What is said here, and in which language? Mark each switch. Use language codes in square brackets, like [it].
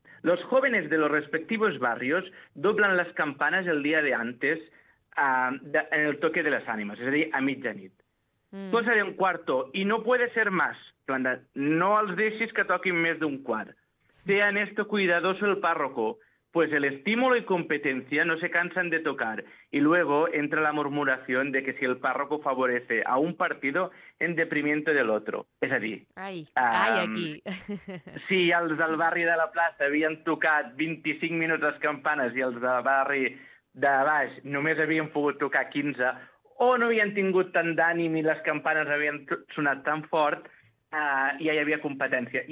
[es] Los jóvenes de los respectivos barrios doblan las campanas el día de antes en el toque de las ánimas, es decir, [ca] a mitjanit. [es] Cosa de un cuarto, y no puede ser más. [ca] No els deixis que toquin més d'un quart. [es] Sean esto cuidadoso el párroco, pues el estímulo y competencia no se cansan de tocar. Y luego entra la murmuración de que si el párroco favorece a un partido, en deprimiento del otro. [ca] És a dir... Ai, aquí. Si els del barri de la plaça havien tocat 25 minuts les campanes i els del barri de baix només havien pogut tocar 15, o no havien tingut tant d'ànim i les campanes havien sonat tan fort, ja hi havia competència.